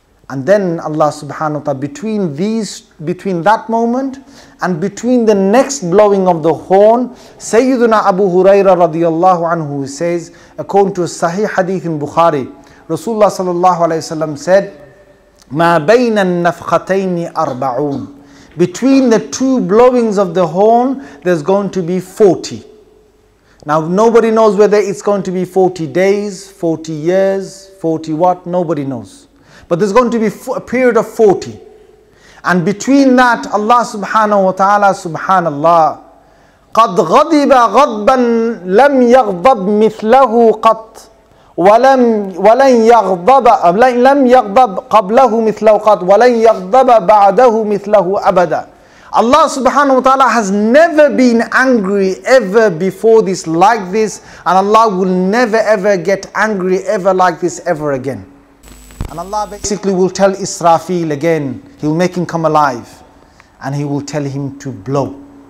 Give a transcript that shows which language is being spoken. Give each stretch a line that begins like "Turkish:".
English: And then Allah subhanahu wa ta'ala, between that moment and between the next blowing of the horn, Sayyiduna Abu Huraira radiallahu anhu says, according to a sahih hadith in Bukhari, Rasulullah sallallahu alayhi wa sallam said,
Arabic: مَا بَيْنَ النَّفْخَتَيْنِ أَرْبَعُونَ.
English: Between the two blowings of the horn, there's going to be 40. Now nobody knows whether it's going to be 40 days, 40 years, 40 what, nobody knows. But there's going to be a period of 40. And between that,
Arabic: Allah subhanahu wa ta'ala, subhanallah, قَدْ غَضِبَ غَضْبًا لَمْ يَغْضَبْ مِثْلَهُ قَطْ وَلَنْ يَغْضَبَ لَمْ يَغْضَبْ قَبْلَهُ مِثْلَهُ قَطْ وَلَنْ يَغْضَبَ بَعْدَهُ مِثْلَهُ أَبَدًا.
English: Allah subhanahu wa ta'ala has never been angry ever before this like this, and Allah will never ever get angry ever like this ever again. And Allah basically will tell Israfil again, He'll make him come alive, and He will tell him to blow.